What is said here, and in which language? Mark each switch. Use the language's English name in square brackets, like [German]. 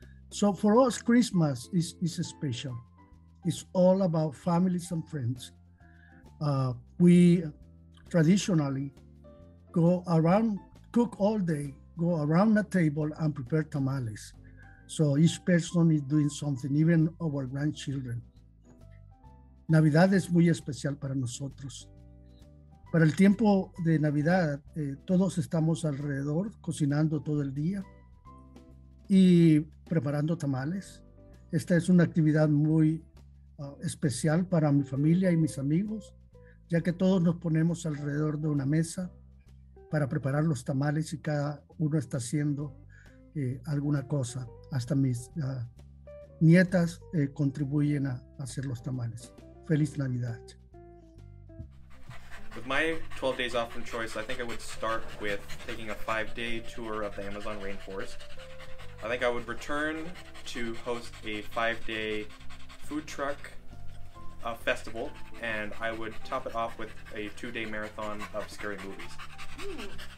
[English] So for us, Christmas is special. It's all about families and friends. We traditionally go around, cook all day, go around the table and prepare tamales. So each person is doing something, even our grandchildren. [Spanish] Navidad es muy especial para nosotros. Para el tiempo de Navidad, todos estamos alrededor cocinando todo el día y preparando tamales. Esta es una actividad muy especial para mi familia y mis amigos, ya que todos nos ponemos alrededor de una mesa para preparar los tamales y cada uno está haciendo alguna cosa. Hasta mis nietas contribuyen a hacer los tamales. Feliz Navidad. [English] With my 12 days off from choice, I think I would start with taking a 5-day tour of the Amazon rainforest. I think I would return to host a 5-day food truck festival, and I would top it off with a 2-day marathon of scary movies.